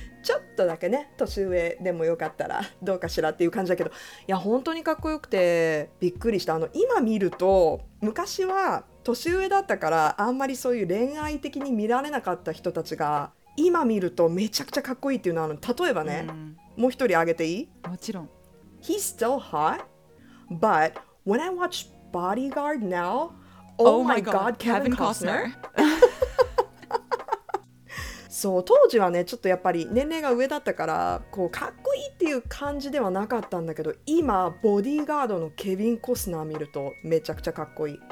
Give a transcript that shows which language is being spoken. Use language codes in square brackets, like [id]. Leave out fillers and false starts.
[ja] ちょっとだけね、年上でもよかったらどうかしらっていう感じだけど、いや本当にかっこよくてびっくりした。あの今見ると、昔は年上だったからあんまりそういう恋愛的に見られなかった人たちが、今見るとめちゃくちゃかっこいいっていうのは、例えばね、もう一人挙げていい？もちろん。 [en] He's still hot, but when I watch Bodyguard now, oh my god, Kevin Costner. [ja] そう、当時はね、ちょっとやっぱり年齢が上だったから、こうかっこいいっていう感じではなかったんだけど、今ボディーガードのケビン・コスナー見るとめちゃくちゃかっこいい。